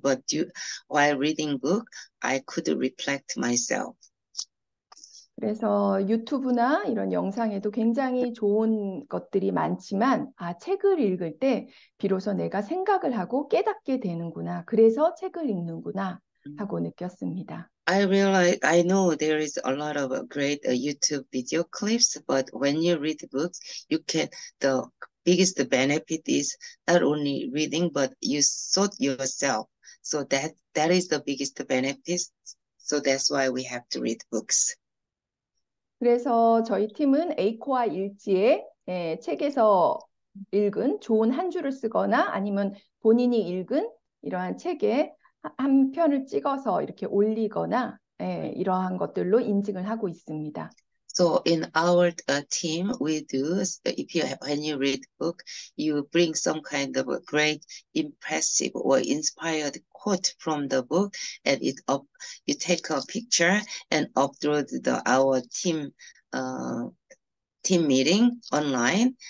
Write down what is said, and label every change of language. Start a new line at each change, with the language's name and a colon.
English: But while reading book, I could reflect myself.
Korean: 그래서 유튜브나 이런 영상에도 굉장히 좋은 것들이 많지만, 아, 책을 읽을 때 비로소 내가 생각을 하고 깨닫게 되는구나. 그래서 책을 읽는구나 하고 느꼈습니다.
English: I know there is a lot of great YouTube video clips, but when you read books, the biggest benefit is not only reading, but you thought yourself. So that is the biggest benefit. So that's why we have to read books.
Korean: 그래서 저희 팀은 에이코아 일지에 예, 책에서 읽은 좋은 한 줄을 쓰거나 아니면 본인이 읽은 이러한 책의 한 편을 찍어서 이렇게 올리거나 예, 이러한 것들로 인증을 하고 있습니다.
English: So in our team, we do. When you read book, you bring some kind of a great, impressive or inspired quote from the book, and you take a picture and upload our team meeting online.